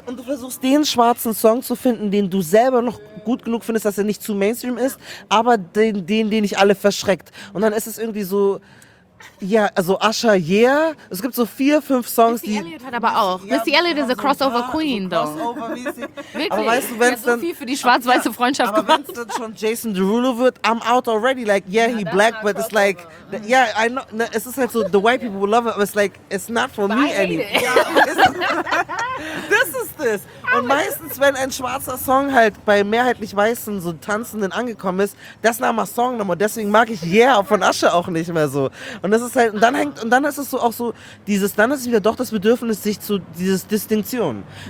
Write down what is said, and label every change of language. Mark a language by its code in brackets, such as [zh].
[de] Und du versuchst, den schwarzen Song zu finden, den du selber noch gut genug findest, dass er nicht zu Mainstream ist, aber den nicht alle verschreckt, und dann ist es irgendwie so, ja, also Usher, es gibt so 4-5 Songs, Missy die... Missy Elliott hat aber auch. Ja, Missy Elliott ist [en] a crossover so queen, though. [de] Crossover-mäßig. Wirklich? Aber weißt du, wenn's dann, so viel für die schwarz-weiße Freundschaft aber gemacht. Aber wenn es dann schon Jason Derulo wird, [en] I'm out already. Like, yeah, he black, but it's like... Yeah, I know. [de] Ne, es ist halt so, [en] the white people will love it, but it's like, it's not for me anymore. This is this. [de] Und meistens, wenn ein schwarzer Song halt bei mehrheitlich weißen so Tanzenden angekommen ist, [en] that's not my song no more. [de] Deswegen mag ich von Usher auch nicht mehr so. Und das ist halt, und dann hängt, und dann ist es so auch so, dieses, dann ist es wieder doch das Bedürfnis, sich zu, dieses Distinktion.